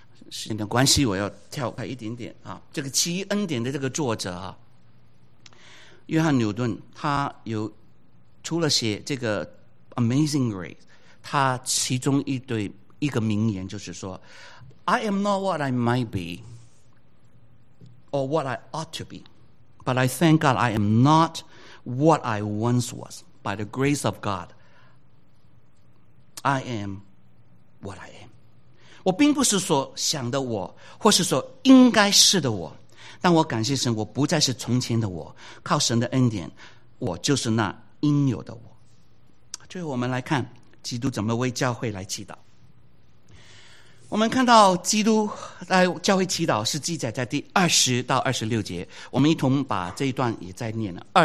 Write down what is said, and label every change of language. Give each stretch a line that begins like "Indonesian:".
Chinese: 时间的关系我要跳开一点点啊，这个奇异恩典的这个作者啊，约翰纽顿，他有除了写这个 Amazing Grace，他其中一个名言就是说
English: I am not what I might be or what I ought to be, but I thank God I am not what I once was. By the grace of God, I am what I am.
Chinese: 我并不是所想的我，或是说应该是的我，但我感谢神，我不再是从前的我，靠神的恩典，我就是那应有的我。最后我们来看基督怎么为教会来祈祷。我们看到基督来教会祈祷是记载在第20到26节，我们一同把这一段也再念了。